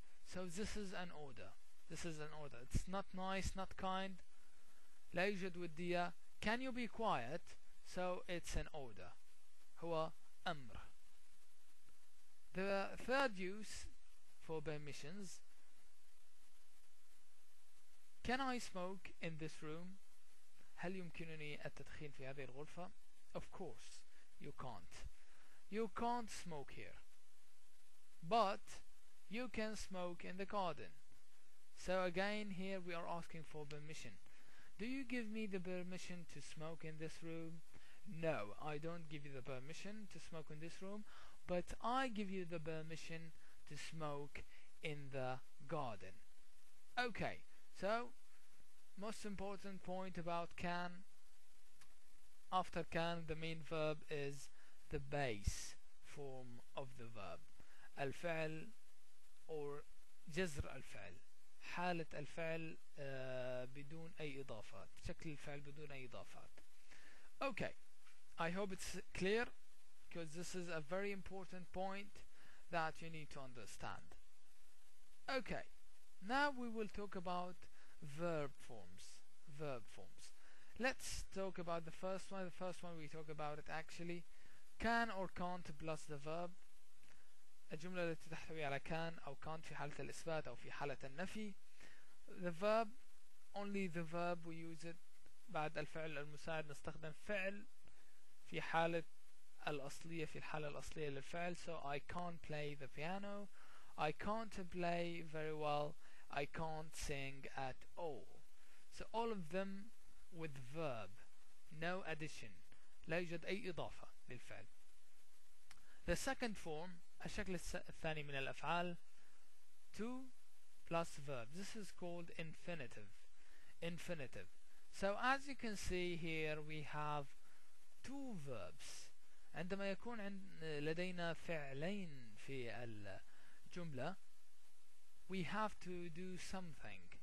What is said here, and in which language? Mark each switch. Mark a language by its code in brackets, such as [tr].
[en] So this is an order. This is an order. It's not nice, not kind. [ar] لا يوجد ودية. [en] Can you be quiet? So it's an order. [ar] هو أمر. [en] The third use for permissions. Can I smoke in this room? [ar] هل يمكنني التدخين في هذه الغرفة؟ [en] Of course, you can't. You can't smoke here. But you can smoke in the garden. So again, here we are asking for permission. Do you give me the permission to smoke in this room? No, I don't give you the permission to smoke in this room, but I give you the permission to smoke in the garden. Okay, so most important point about can. After can, the main verb is the base form of the verb. [ar] الفعل or جزر الفعل. حالة الفعل بدون أي إضافات. شكل الفعل بدون أي إضافات. [en] Okay. I hope it's clear, because this is a very important point that you need to understand. Okay, now we will talk about verb forms. Verb forms. Let's talk about the first one. The first one we talk about it actually. Can or can't plus the verb. [ar] الجملة التي تحتوي على can أو can't في حالة الإثبات أو في حالة النفي. [en] The verb, only the verb we use it. [ar] بعد الفعل المساعد نستخدم فعل في حالة الأصلية في الحالة الأصلية للفعل. [en] So I can't play the piano. I can't play very well. I can't sing at all. So all of them with verb, no addition. [ar] لا يوجد أي إضافة للفعل. [en] The second form, [ar] الشكل الثاني من الأفعال, [en] to plus verb. This is called infinitive. Infinitive. So as you can see here, we have two verbs. [ar] عندما يكون لدينا فعلين في الجملة, [en] we have to do something.